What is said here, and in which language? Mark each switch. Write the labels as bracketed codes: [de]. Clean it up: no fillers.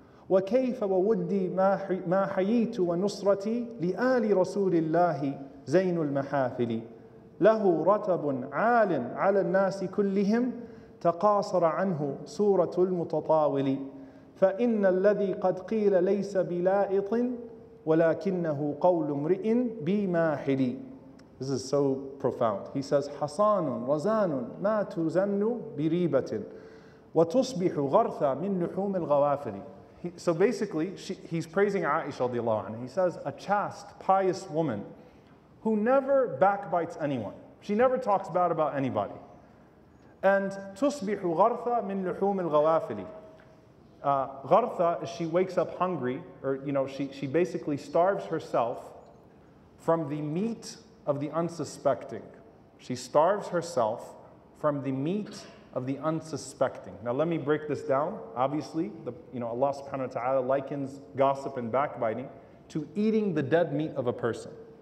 [ar] وكيف وودي ما حييت ونصرتي لآل رسول الله زين المحافل له رتب عال على الناس كلهم تقاصر عنه سورة المتطاول فإن الذي قد قيل ليس بلائط ولكنه قول امرئ بماحل. [en] This is so profound. He says, [ar] حصان رزان ما تزن بريبة وتصبح غرثا من لحوم الغوافل. [en] So basically, he's praising Aisha radiallahu anha. He says, a chaste, pious woman who never backbites anyone. She never talks bad about anybody. [ar] And تصبح غرثا من لحوم الغوافل. [en] Gartha, she wakes up hungry, or you know, she basically starves herself from the meat of the unsuspecting. She starves herself from the meat of the unsuspecting. Now let me break this down. Obviously, Allah subhanahu wa ta'ala likens gossip and backbiting to eating the dead meat of a person.